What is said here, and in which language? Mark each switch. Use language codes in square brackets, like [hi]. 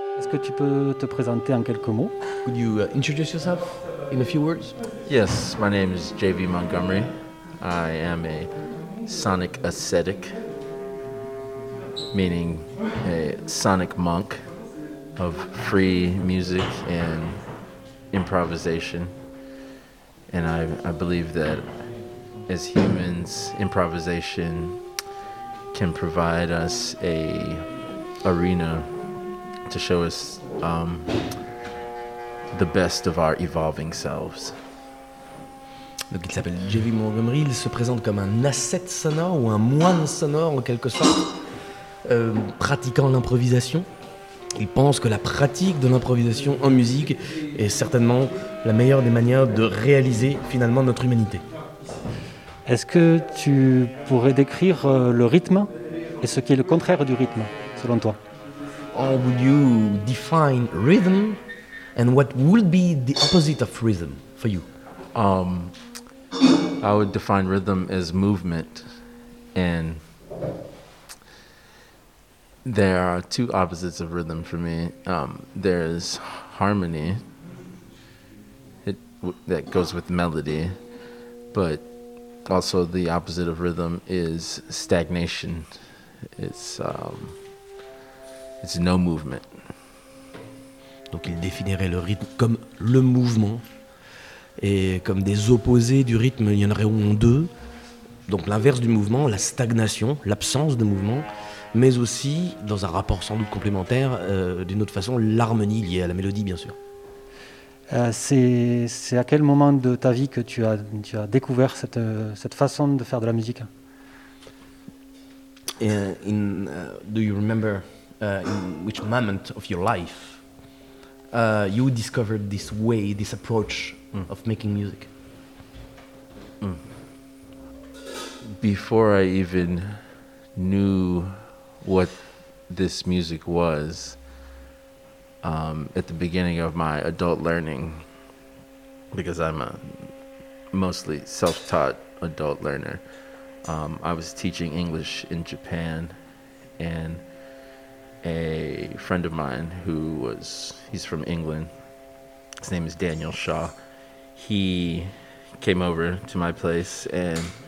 [fr] Que tu peux te présenter en quelques mots. [en] Could you introduce yourself in a few words? Yes, my name is JV Montgomery. I am a sonic ascetic, meaning a sonic monk of free music and improvisation. And I believe that as humans, improvisation can provide us a arena to show us the best of our evolving selves. [fr] Donc il s'appelle J.V. Montgomery, il se présente comme un asset sonore ou un moine sonore en quelque sorte, pratiquant l'improvisation. Il pense que la pratique de l'improvisation en musique est certainement la meilleure des manières de réaliser finalement notre humanité. Est-ce que tu pourrais décrire le rythme et ce qui est le contraire du rythme, selon toi? [en] How would you define rhythm and what would be the opposite of rhythm for you? I would define rhythm as movement, and there are two opposites of rhythm for me. There's harmony that goes with melody, but also the opposite of rhythm is stagnation. It's no movement. [fr] Donc il définirait le rythme comme le mouvement. Et comme des opposés du rythme, il y en aurait au moins deux. Donc l'inverse du mouvement, la stagnation, l'absence de mouvement, mais aussi, dans un rapport sans doute complémentaire, d'une autre façon, l'harmonie liée à la mélodie, bien sûr. C'est à quel moment de ta vie que tu as découvert cette façon de faire de la musique? [en] Do you remember in which moment of your life you discovered this way, this approach? Of making music. Before I even knew what this music was, at the beginning of my adult learning, because I'm a mostly self-taught adult learner, I was teaching English in Japan, and a friend of mine he's from England, his name is Daniel Shaw, he came over to my place, and